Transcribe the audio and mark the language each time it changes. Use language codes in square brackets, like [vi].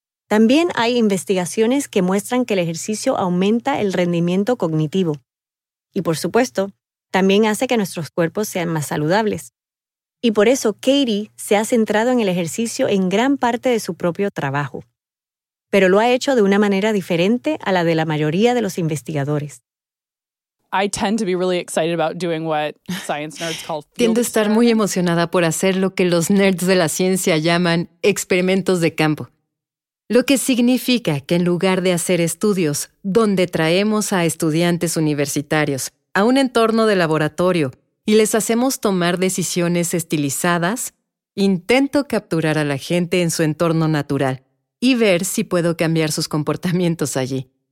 [es] También hay investigaciones que muestran que el ejercicio aumenta el rendimiento cognitivo. Y por supuesto, también hace que nuestros cuerpos sean más saludables. Y por eso Katie se ha centrado en el ejercicio en gran parte de su propio trabajo. Pero lo ha hecho de una manera diferente a la de la mayoría de los investigadores. [en] I tend to be really excited about doing what science nerds call field experiments. [es] Tiendo a estar muy emocionada por hacer lo que los nerds de la ciencia llaman experimentos de campo. Lo que significa que en lugar de hacer estudios donde traemos a estudiantes universitarios a un entorno de laboratorio y les hacemos tomar decisiones estilizadas, intento capturar a la gente en su entorno natural y ver si puedo cambiar sus comportamientos allí.